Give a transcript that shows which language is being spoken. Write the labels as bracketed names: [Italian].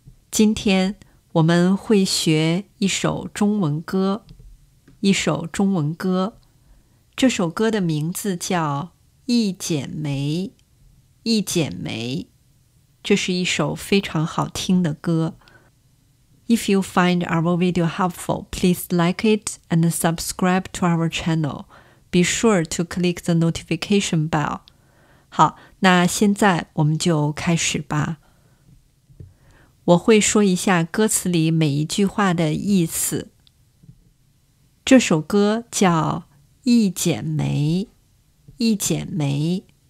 [Chinese] 今天我们会学一首中文歌，一首中文歌。这首歌的名字叫《一剪梅》，一剪梅。这是一首非常好听的歌。 [English] If you find our video helpful, please like it and subscribe to our channel. Be sure to click the notification bell. [Chinese] 好，那现在我们就开始吧。我会说一下歌词里每一句话的意思。这首歌叫《一剪梅》，一剪梅。